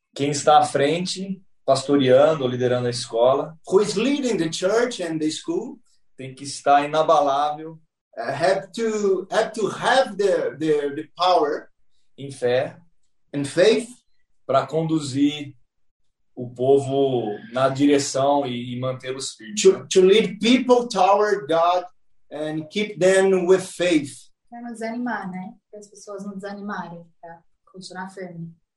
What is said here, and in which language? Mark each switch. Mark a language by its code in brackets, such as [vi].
[pt] Quem está à frente, pastoreando ou liderando a escola, [en] who is leading the church and the school, [pt] tem que estar inabalável. [en] Have to have the power [pt] in fé, [en] in faith, [pt] para conduzir o povo na direção e manter os firmes. [en] To lead people toward God and keep them with faith. [pt] Para não desanimar, né? Para as pessoas não desanimarem, para continuar firme.